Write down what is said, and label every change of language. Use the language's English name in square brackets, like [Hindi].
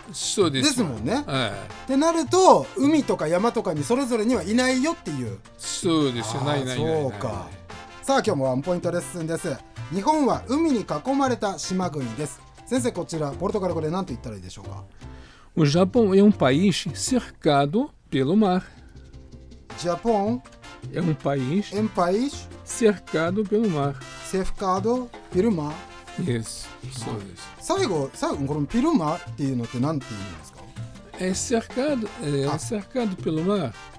[Japanese] そうです、ですもんね、はい、ってなると海とか山とかにそれぞれにはいないよっていう。そうですよ、ないないない。そうか。さあ今日もワンポイントレッスンです。日本は海に囲まれた島国です。先生、こちらポルトガル語で何と言ったらいいでしょうか。 [Portuguese] O Japão é país cercado pelo mar。 Japão é país país cercado pelo mar. Cercado pelo mar. [Japanese] Yes, そうです。最後このピルマっていうのって何て言うんですか。 [Portuguese] É cercado, cercado pelo mar.